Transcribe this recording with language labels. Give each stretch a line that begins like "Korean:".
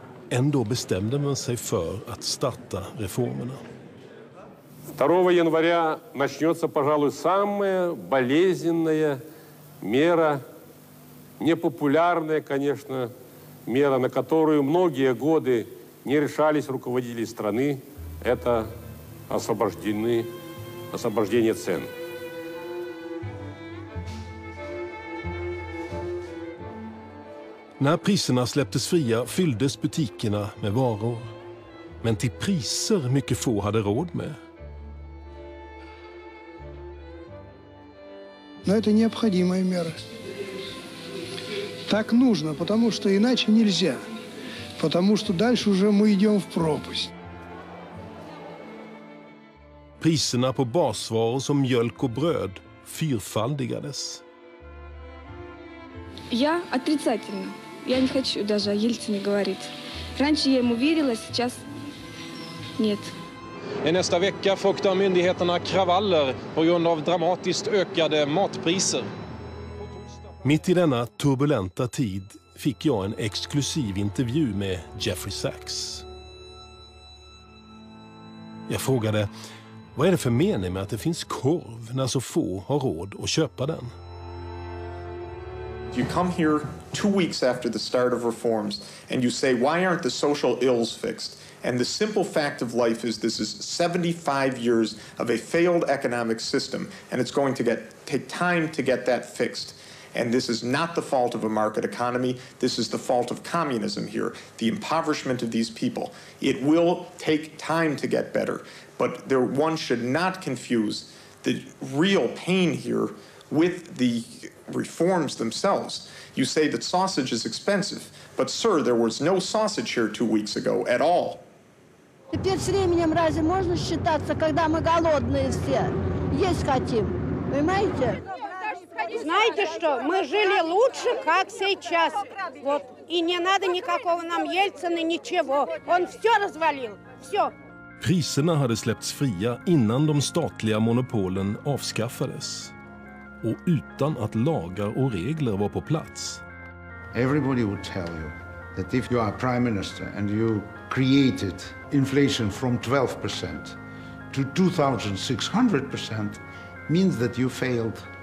Swedish: Ändå bestämde man sig för att starta reformerna.
Russian: 2 januari начнется, пожалуй, самая болезненная мера, непопулярная, конечно, мера, на которую многие годы не решались руководители страны, это освобождение цен.
Swedish: När priserna släpptes fria fylldes butikerna med varor. Men till priser mycket få hade råd med.
Russian: Но это необходимая мера. Так нужно, потому что иначе нельзя. Потому что дальше уже мы идем в пропасть.
Swedish: Priserna på basvaror som mjölk och bröd fyrfaldigades.
Russian: Я отрицательно. Я не хочу даже о Ельцине говорить. Раньше я ему верила, сейчас нет.
Swedish: I nästa vecka fruktar myndigheterna kravaller på grund av dramatiskt ökade matpriser. Mitt i denna turbulenta tid fick jag en exklusiv intervju med Jeffrey Sachs. Jag frågade, vad är det för mening med att det finns korv när så få har råd att köpa den?
English: You come here 2 weeks after the start of reforms and you say, why aren't the social ills fixed? And the simple fact of life is this is 75 years of a failed economic system and it's going to take time to get that fixed. And this is not the fault of a market economy. This is the fault of communism here, the impoverishment of these people. It will take time to get better, but there one should not confuse the real pain here with the reforms themselves. You say that sausage is expensive, but sir, there was no sausage here 2 weeks ago at all.
Russian: Теперь с временем разве можно считаться, когда мы голодные все? Есть хотим, понимаете? Знаете что, мы жили лучше, как сейчас. Вот. И не надо никакого нам Ельцина, ничего. Он все развалил, все.
Swedish: Priserna hade släppts fria innan de statliga monopolen avskaffades och utan att lagar och regler var på plats.
English: Everybody would tell you that if you are prime minister and you created inflation from 12% to 2600% means that you failed.